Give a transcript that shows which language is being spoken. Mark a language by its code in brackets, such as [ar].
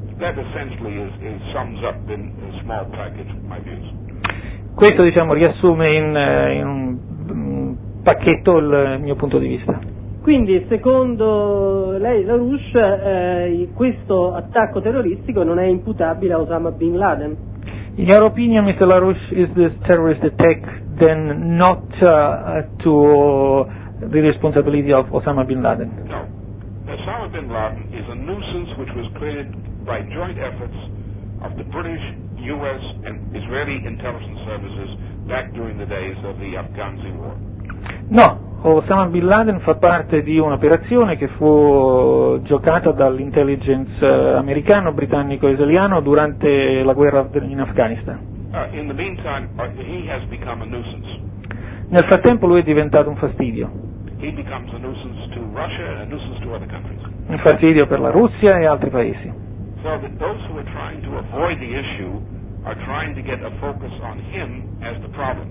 [en] That essentially sums up in a small package my views. [it] Questo, diciamo, riassume in un pacchetto il mio punto di vista. Quindi, secondo lei, la Rush, questo attacco terroristico non è imputabile a Osama Bin Laden? [en] In your opinion, Mr. LaRouche, is this terrorist attack then not to the responsibility of Osama Bin Laden? No. Osama Bin Laden is a nuisance which was created by joint efforts of the British, U.S. and Israeli intelligence services back during the days of the Afghanzi war. No. [it] Osama Bin Laden fa parte di un'operazione che fu giocata dall'intelligence americano, britannico e israeliano durante la guerra in Afghanistan. [en] In the meantime, he has become a nuisance. [it] Nel frattempo lui è diventato un fastidio. [en] He becomes a nuisance to Russia and a nuisance to other countries. [it] Un fastidio per la Russia e altri paesi. [en] So that those who are trying to avoid the issue are trying to get a focus on him as the problem.